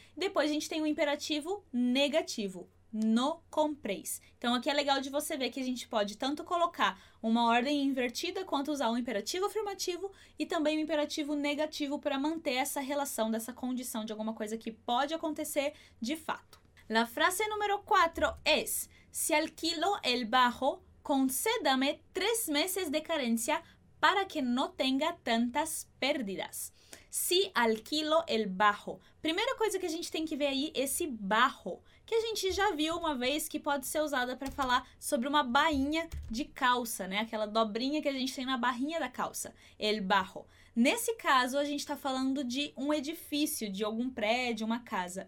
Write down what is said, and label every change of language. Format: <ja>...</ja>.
<pt>Depois, a gente tem o imperativo negativo, no compréis. Então, aqui é legal de você ver que a gente pode tanto colocar uma ordem invertida, quanto usar o imperativo afirmativo e também o imperativo negativo para manter essa relação, dessa condição de alguma coisa que pode acontecer de fato.</pt> <es>La frase número 4 es, si alquilo el bajo, concédame 3 meses de carencia para que no tenga tantas pérdidas. Si alquilo el bajo.</es> <pt>Primeira coisa que a gente tem que ver aí, esse bajo, que a gente já viu uma vez que pode ser usada para falar sobre uma bainha de calça, né? Aquela dobrinha que a gente tem na barrinha da calça, el bajo. Nesse caso, a gente está falando de um edifício, de algum prédio, uma casa.</pt>